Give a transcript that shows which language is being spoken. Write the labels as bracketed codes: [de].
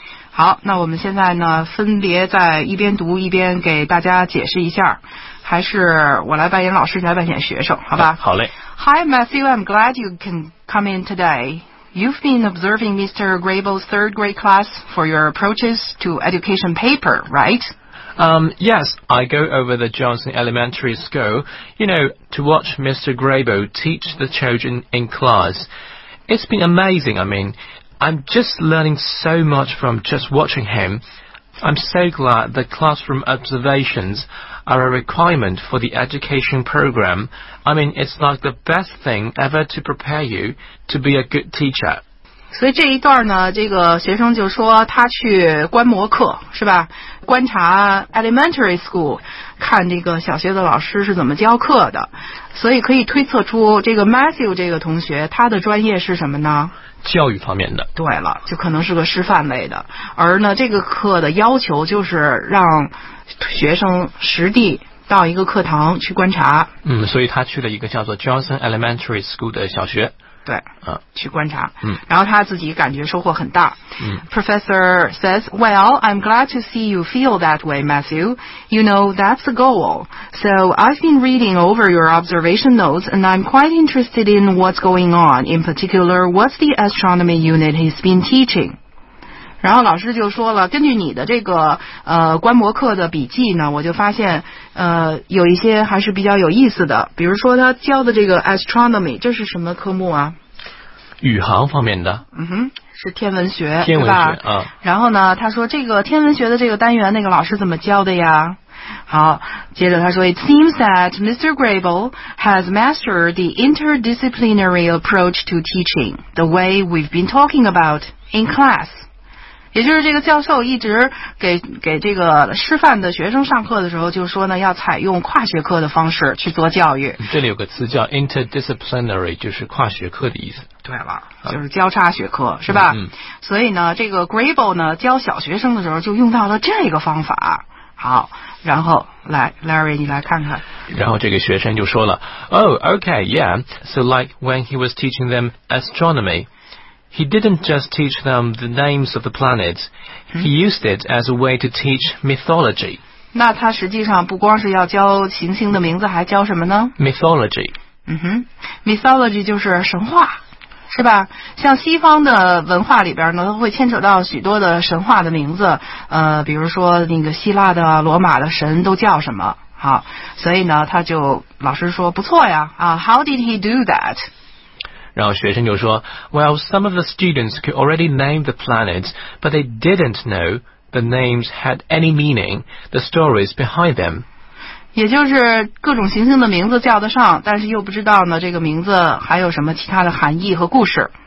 [zh] 好，那我们现在呢分别在一边读一边给大家解释一下，还是我来扮演老师，你来扮演学生，好吧？好嘞。 [en] Hi Matthew, I'm glad you can come in today. You've been observing Mr. Grable's third grade class for your approaches to education paper, right? Yes, I go over the Johnson Elementary School, you know, to watch Mr. Grable teach the children in class. It's been amazing, I meanI'm just learning so much from just watching him. I'm so glad the classroom observations are a requirement for the education program. I mean, it's like the best thing ever to prepare you to be a good teacher. [zh] 所以这一段呢，这个学生就说他去观摩课，是吧？观察 elementary school， 看这个小学的老师是怎么教课的。所以可以推测出这个 Matthew 这个同学他的专业是什么呢？教育方面的。对了，就可能是个师范类的。而呢，这个课的要求就是让学生实地到一个课堂去观察。嗯，所以他去了一个叫做 Johnson Elementary School 的小学。对，去观察，嗯，然后他自己感觉收获很大。嗯 [en] ，Professor says, "Well, I'm glad to see you feel that way, Matthew. You know, that's the goal. So I've been reading over your observation notes, and I'm quite interested in what's going on. In particular, what's the astronomy unit he's been teaching?" [zh] 然后老师就说了，根据你的这个观摩课的笔记呢，我就发现有一些还是比较有意思的，比如说他教的这个 astronomy， 这是什么科目啊？宇航方面的。嗯哼，是天文学，天文学是吧？啊。然后呢，他说这个天文学的这个单元，那个老师怎么教的呀？好，接着他说 [en] ，It seems that Mr. Grable has mastered the interdisciplinary approach to teaching the way we've been talking about in class。 [zh] 也就是这个教授一直给这个师范的学生上课的时候就说呢，要采用跨学科的方式去做教育。这里有个词叫 interdisciplinary， 就是跨学科的意思。对了，就是交叉学科，是吧？嗯。所以呢，这个 Grable 呢教小学生的时候就用到了这个方法。好，然后来 Larry， 你来看看。然后这个学生就说了 ， [en] Oh, okay, yeah. So like when he was teaching them astronomy. He didn't just teach them the names of the planets. He used it as a way to teach mythology. [zh] 那他实际上不光是要教行星的名字，还教什么呢 [en] ？Mythology. [zh] 嗯哼 ，mythology 就是神话，是吧？像西方的文化里边呢，都会牵扯到许多的神话的名字。比如说那个希腊的、罗马的神都叫什么？好，所以呢，他就老师说不错呀。 [en] 啊 ，How did he do that？ [zh] 然后学生就说 [en] ，Well, some of the students could already name the planets, but they didn't know the names had any meaning, the stories behind them. [zh] 也就是各种行星的名字叫得上，但是又不知道呢这个名字还有什么其他的含义和故事。